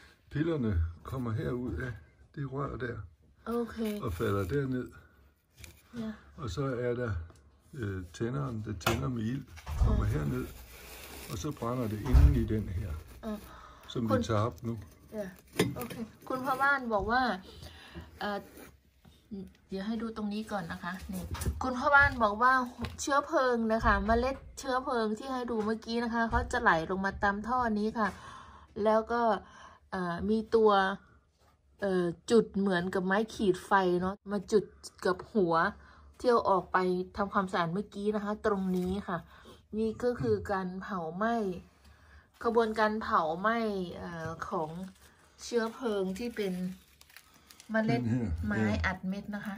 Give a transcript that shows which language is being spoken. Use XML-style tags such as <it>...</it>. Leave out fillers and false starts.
<th>พิลเลอร์เนี่ย</th> <da>kommer herud af det rør der</da> <en>Okay.</en> <da>Og falder derned.</da> <en>Yeah.</en> <da>Og så er der tænderen, der tænder med ild, kommer herned. Og så brænder det inden i den her, som vi tager op nu. Ja, yeah. Okay. Kun for vand, hvor var...</da> <th>เดี๋ยวให้ดูตรงนี้ก่อนนะคะนี่คุณพ่อบ้านบอกว่าเชื้อเพลิงนะคะเมล็ดเชื้อเพลิงที่ให้ดูเมื่อกี้นะคะเขาจะไหลลงมาตามท่อนี้ค่ะแล้วก็มีตัว จุดเหมือนกับไม้ขีดไฟเนาะมาจุดกับหัวเที่ยวออกไปทำความสะอาดเมื่อกี้นะคะตรงนี้ค่ะนี่ก็คือการเผาไหม้กระบวนการเผาไหม้ของเชื้อเพลิงที่เป็นเมล็ดไม้อัดเม็ดนะคะ</th>